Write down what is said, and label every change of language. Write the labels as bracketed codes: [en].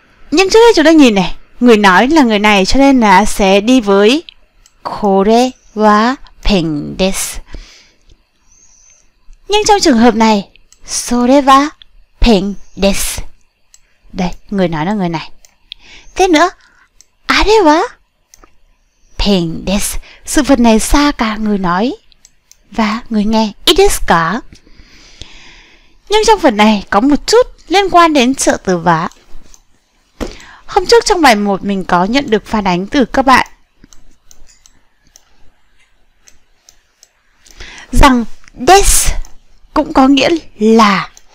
[vi] Nhưng trước đây chúng ta nhìn này, người nói là người này, cho nên là sẽ đi với [ja] これはペンです。 [vi] Nhưng trong trường hợp này [ja] それはペンです。 [vi] Đây, người nói là người này. Thế nữa, [ja] あれはペンです。 [vi] Sự vật này xa cả người nói và người nghe. [ja] いいですか? [vi] Nhưng trong phần này có một chút liên quan đến trợ từ vá. Hôm trước trong bài 1 mình có nhận được phản ánh từ các bạn rằng des cũng có nghĩa là.